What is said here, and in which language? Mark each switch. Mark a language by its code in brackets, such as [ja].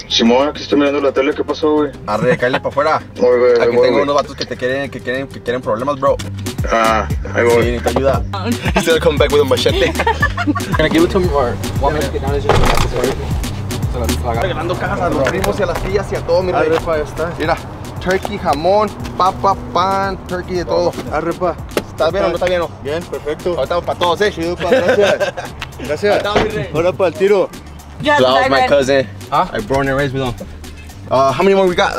[es] Simón, aquí estoy mirando la tele. ¿Qué pasó, güey? Arre, cállate para afuera. Voy, güey. Aquí tengo unos vatos que quieren problemas, bro. Ah, ahí voy. Sí, necesito ayuda. [en] He's gonna come back with a machete. Can I give it to him or want me to get down and just pass this way? [es] Regalando cajas a los primos y a las tías y a todo, mi rey. Arre, está. Mira, turkey, jamón, papa, pan, turkey de todo. Arre, pa. ¿Estás bien o no estás bien? Bien, perfecto. Ahora estamos para todos, ¿eh? Chido, pa, gracias. Gracias. Ahí estamos, mi rey. Hola, pa, el tiro. [en] Yeah, so that was my cousin. Huh? I born and raised with him. How many more we got?